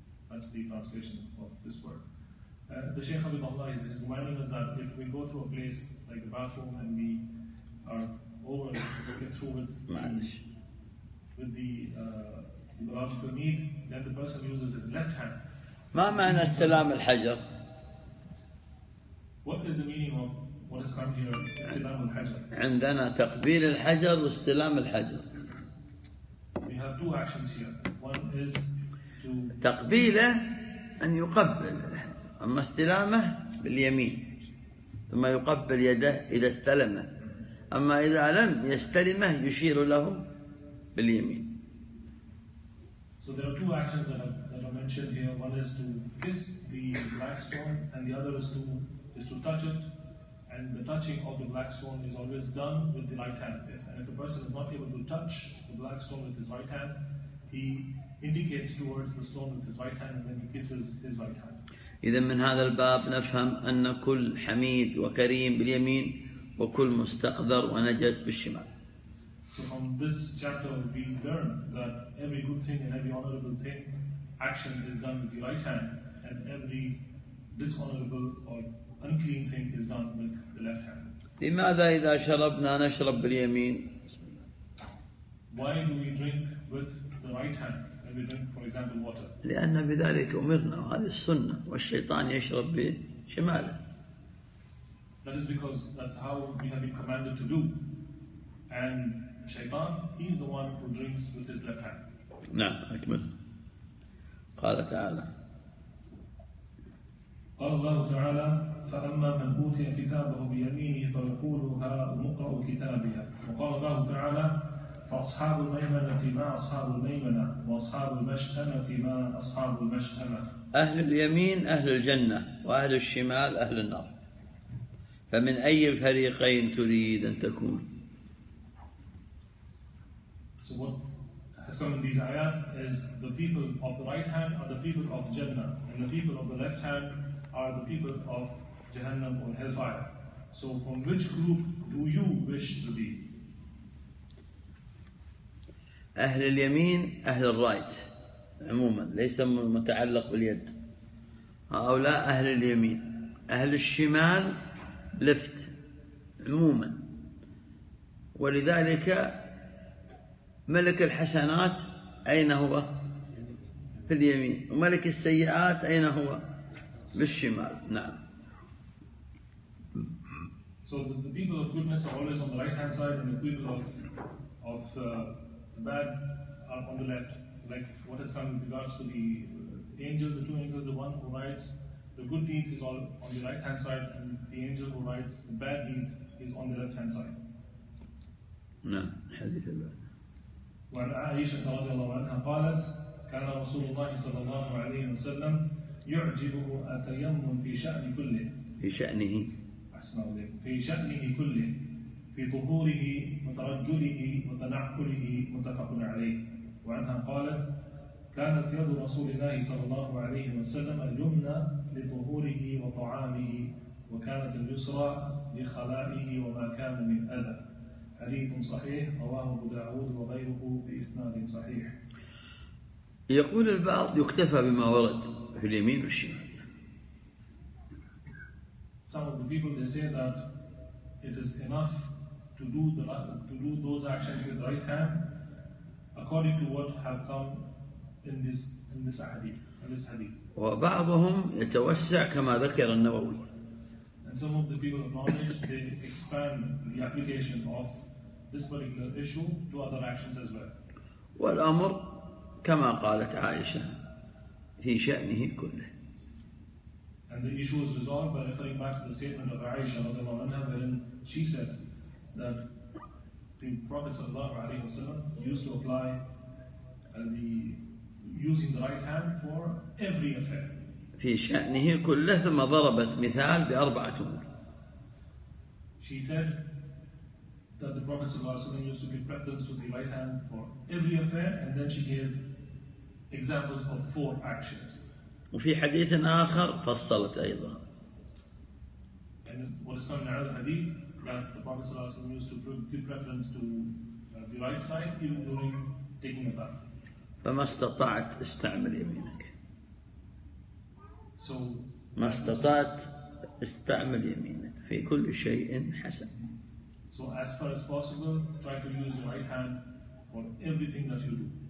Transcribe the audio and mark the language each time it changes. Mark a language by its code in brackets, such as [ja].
[en] That's the translation of this word. The Shaykh Abid Allah is reminding us that if we go to a place like the bathroom and we are over looking through it with the logical need, then the person uses his left hand. [ar] ما معنى استلام الحجر؟ [en] What is the meaning of what is come here, [ar] استلام الحجر؟ عندنا تقبيل الحجر واستلام الحجر. [en] We have two actions here. One is to [ar] تقبيله أن يقبل. أما استلامه باليمين ثم يقبل يده إذا استلمه، أما إذا لم يستلمه يشير له باليمين. [en] So there are two actions that are mentioned here. One is to kiss the black stone and the other is to touch it. And the touching of the black stone is always done with the right hand. And if a person is not able to touch the black stone with his right hand, he indicates towards the stone with his right hand and then he kisses his right hand. [ar] إذا من هذا الباب نفهم أن كل حميد وكريم باليمين وكل مستقذر ونجس بالشمال. [en] So from this chapter we learn that every good thing and every honorable thing action is done with the right hand and every dishonorable or unclean thing is done with the left hand. [ar] لماذا إذا شربنا نشرب باليمين؟ [en] Why do we drink with the right hand? For example, water. [ar] لأن بذلك أمرنا وهذه السنة والشيطان يشرب بشماله. [en] That is because that's how we have been commanded to do. And Shaitan, he's the one who drinks with his left hand. [ar] نعم أكمل. قال تعالى. قال الله تعالى فأما من أوتي كتابه بيمينه فيقول هاؤم اقرأوا كتابيا. وقال الله تعالى فأصحاب الميمنة ما أصحاب الميمنة وأصحاب المشأمة ما أصحاب المشأمة. أهل اليمين أهل الجنة وأهل الشمال أهل النار. فمن أي الفريقين تريد أن تكون؟ [en] So what has come in these ayat is the people of the right hand are the people of Jannah and the people of the left hand are the people of Jahannam or Hellfire. So from which group do you wish to be? [ar] أهل اليمين أهل الرايت عموما ليس متعلق باليد، هؤلاء أهل اليمين. أهل الشمال لفت عموما، ولذلك ملك الحسنات أين هو؟ في اليمين. وملك السيئات أين هو؟ بالشمال. نعم. [en] So the people of goodness are always on the right hand side and the people of bad are on the left. Like what has come with regards to the angel, the two angels, the one who writes the good deeds is all on the right hand side and the angel who writes the bad deeds is on the left hand side. No, hadith al-bad. [ar] وعن عائشة رضي الله عنها قالت كان رسول الله صلى الله عليه وسلم يعجبه التيمم في شأن كله في شأنه أحسن الله في شأنه كله في طهوره وترجله وتنعقله متفق عليه. وعنها قالت كانت يد رسول الله صلى الله عليه وسلم اليمنى لطهوره وطعامه وكانت اليسرى لخلائه وما كان من أذى. حديث صحيح رواه أبو داود وغيره بإسناد صحيح. يقول البعض يكتفى بما ورد في اليمين والشمال. [en] Some of the people they say that it is enough to do the to do those actions with the right hand according to what have come in this hadith. [ar] وبعضهم يتوسع كما ذكر النووي. [en] And some of the people of knowledge they expand the application of this particular issue to other actions as well. [ar] والأمر كما قالت عائشة في شأنه كله. [en] And the issue is resolved by referring back to the statement of Aisha [ar] رضي الله عنها, [en] wherein she said that the Prophet [ar] صلى الله عليه وسلم [en] used to apply the using the right hand for every affair. [ar] في شأنه كله ثم ضربت مثال بأربعة أمور. [en] She said that the Prophet [ar] صلى الله عليه وسلم [en] used to give preference to the right hand for every affair, and then she gave examples of four actions. [ar] وفي حديث آخر فصلت أيضا. [en] And what is coming out of the hadith that the Prophet [ar] صلى الله عليه وسلم [en] used to give preference to the right side even during taking a bath. [ar] فما استطعت استعمل يمينك. [en] So [ar] ما استطعت استعمل يمينك في كل شيء حسن. [en] So as far as possible, try to use your right hand for everything that you do.